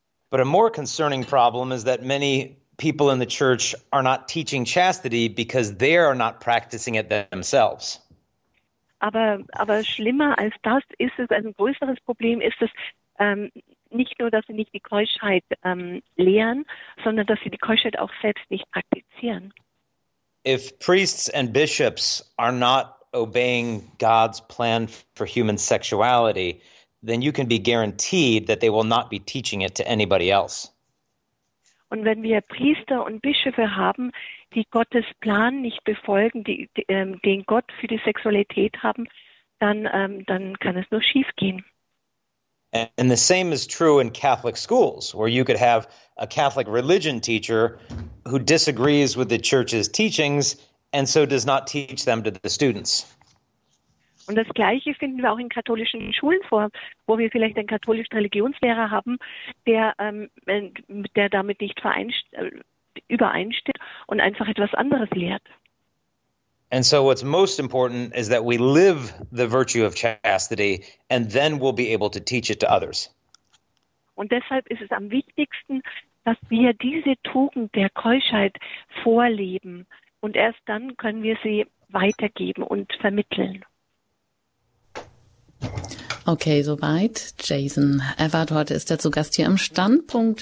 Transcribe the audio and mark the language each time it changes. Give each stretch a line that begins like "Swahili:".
English: But a more concerning problem is that many people in the church are not teaching chastity because they are not practicing it themselves.
German: Aber schlimmer als das ist es, ein größeres Problem ist es, nicht nur, dass sie nicht die Keuschheit lehren, sondern dass sie die Keuschheit auch selbst nicht praktizieren.
English: If priests and bishops are not obeying God's plan for human sexuality, then you can be guaranteed that they will not be teaching it to anybody else.
German: Und wenn wir Priester und Bischöfe haben, die Gottes Plan nicht befolgen, den Gott für die Sexualität haben, dann kann es nur schief gehen.
English: And the same is true in Catholic schools, where you could have a Catholic religion teacher who disagrees with the church's teachings and so does not teach them to the students.
German: Und das Gleiche finden wir auch in katholischen Schulen vor, wo wir vielleicht einen katholischen Religionslehrer haben, der damit nicht übereinstimmt und einfach etwas anderes lehrt.
English: And so what's most important is that we live the virtue of chastity and then we'll be able to teach it to others.
German: Und deshalb ist es am wichtigsten, dass wir diese Tugend der Keuschheit vorleben und erst dann können wir sie weitergeben und vermitteln. Okay, soweit. Jason Evert, heute ist er zu Gast hier im Standpunkt.